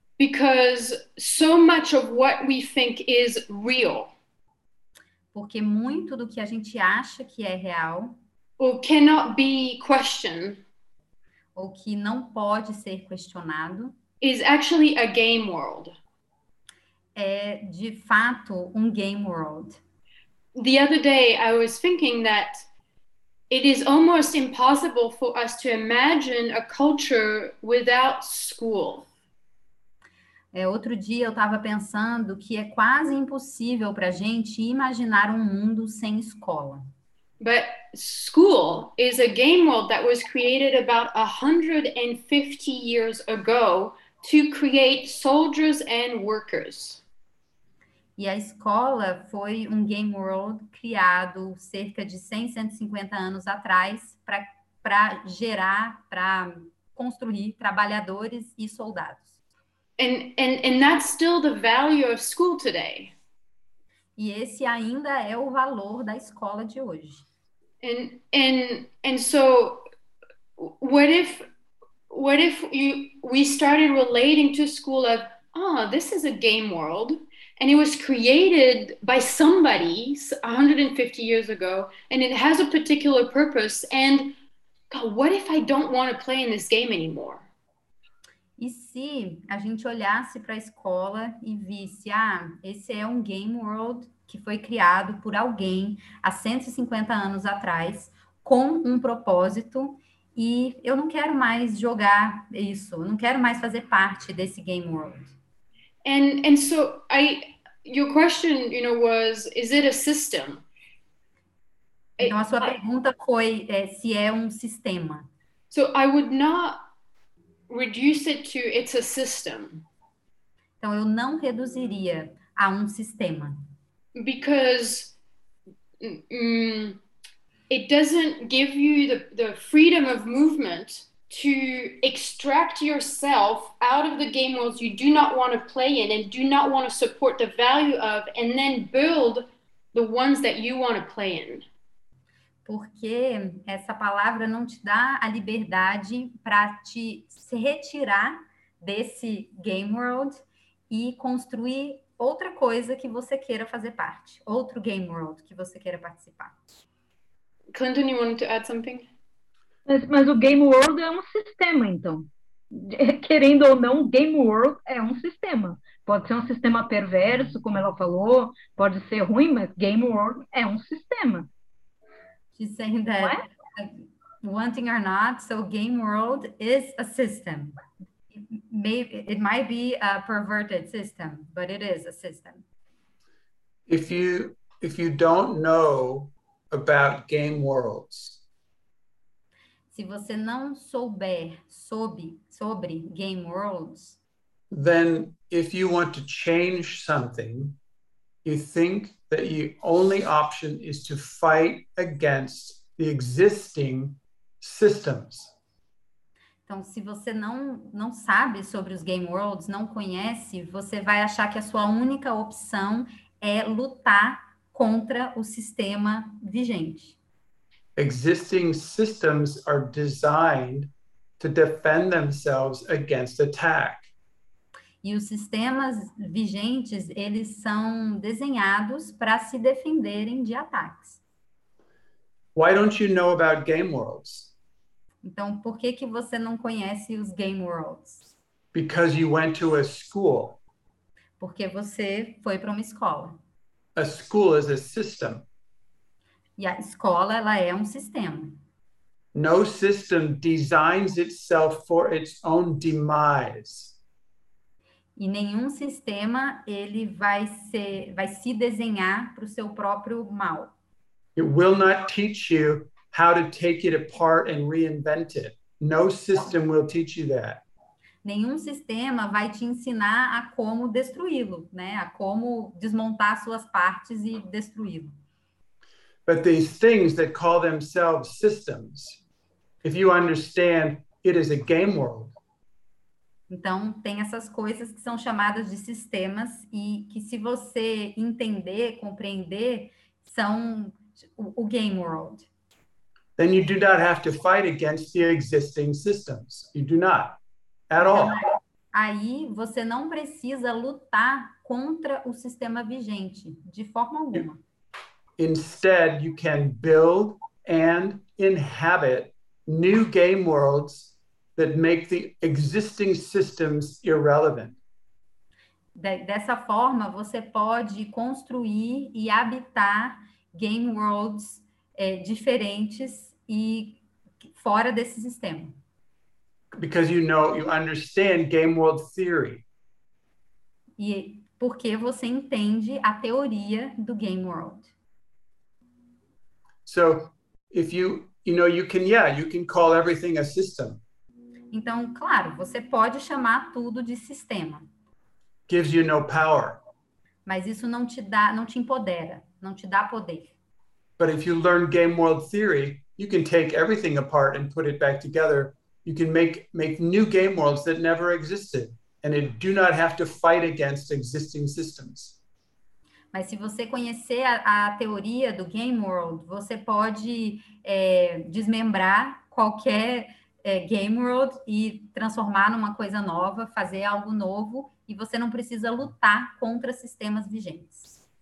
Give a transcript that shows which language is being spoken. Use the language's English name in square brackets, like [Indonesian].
[English] Because so much of what we think is real. [Portuguese] Porque muito do que a gente acha que é real. [English] Or cannot be questioned. [Portuguese] Ou que não pode ser questionado. [English] Is actually a game world. [Portuguese] É de fato game world. [English] The other day I was thinking that it is almost impossible for us to imagine a culture without school. [Portuguese] Outro dia eu estava pensando que é quase impossível para a gente imaginar mundo sem escola. [English] But school is a game world that was created about 150 years ago to create soldiers and workers. [Portuguese] E a escola foi game world criado cerca de 100, 150 anos atrás para gerar, para construir trabalhadores e soldados. [English] And that's still the value of school today. [Portuguese] E esse ainda é o valor da escola de hoje. [English] And so, what if we started relating to school as, this is a game world. And it was created by somebody 150 years ago, and it has a particular purpose. And God, what if I don't want to play in this game anymore? [Portuguese] E se a gente olhasse para a escola e visse, esse é game world que foi criado por alguém há 150 anos atrás, com propósito, e eu não quero mais jogar isso, não quero mais fazer parte desse game world. [English] And so your question, you know, was, is it a system? [Portuguese] Então a sua pergunta foi se é sistema. [English] So I would not reduce it to it's a system. [Portuguese] Então eu não reduziria a sistema. [English] Because it doesn't give you the freedom of movement to extract yourself out of the game worlds you do not want to play in and do not want to support the value of, and then build the ones that you want to play in. [Portuguese] Porque essa palavra não te dá a liberdade para te se retirar desse game world e construir outra coisa que você queira fazer parte, outro game world que você queira participar. [English] Clinton, you wanted to add something? [Portuguese] Mas o game world é sistema, então. Querendo ou não, game world é sistema. Pode ser sistema perverso, como ela falou, pode ser ruim, mas game world é sistema. [English] She's saying that, wanting or not, so game world is a system. It might be a perverted system, but it is a system. If you don't know about game worlds, [Portuguese] se você não souber sobre game worlds, [English] then if you want to change something, you think that your only option is to fight against the existing systems. [Portuguese] Então, se você não sabe sobre game worlds, não conhece, você vai achar que a sua única opção é lutar contra o sistema vigente. [English] Existing systems are designed to defend themselves against attack. [Portuguese] E os sistemas vigentes, eles são desenhados para se defenderem de ataques. [English] Why don't you know about game worlds? [Portuguese] Então, por que você não conhece game worlds? [English] Because you went to a school. [Portuguese] Porque você foi para uma escola. [English] A school is a system. [Portuguese] E a escola, ela é um sistema. [English] No system designs itself for its own demise. [Portuguese] E nenhum sistema, ele vai ser, vai se desenhar para o seu próprio mal. [English] It will not teach you how to take it apart and reinvent it. No system will teach you that. [Portuguese] Nenhum sistema vai te ensinar a como destruí-lo, né? A como desmontar suas partes e destruí-lo. [English] But these things that call themselves systems, if you understand, it is a game world. [Portuguese] Então, tem essas coisas que são chamadas de sistemas e que se você entender, compreender, são o game world. [English] Then you do not have to fight against the existing systems. You do not. At all. [Portuguese] Aí você não precisa lutar contra o sistema vigente, de forma alguma. [English] Instead, you can build and inhabit new game worlds that make the existing systems irrelevant. [Portuguese] Dessa forma, você pode construir e habitar game worlds diferentes e fora desse sistema. [English] Because you know, you understand game world theory. [Portuguese] E porque você entende a teoria do game world. [English] So, if you can call everything a system. [Portuguese] Então, claro, você pode chamar tudo de sistema. [English] Gives you no power. [Portuguese] Mas isso não te dá, não te empodera, não te dá poder. [English] But if you learn game world theory, you can take everything apart and put it back together. You can make new game worlds that never existed, and it do not have to fight against existing systems. [Portuguese] Mas se você conhecer a teoria do game world, você pode desmembrar qualquer game world e transformar numa coisa nova, fazer algo novo, e você não precisa lutar contra sistemas vigentes.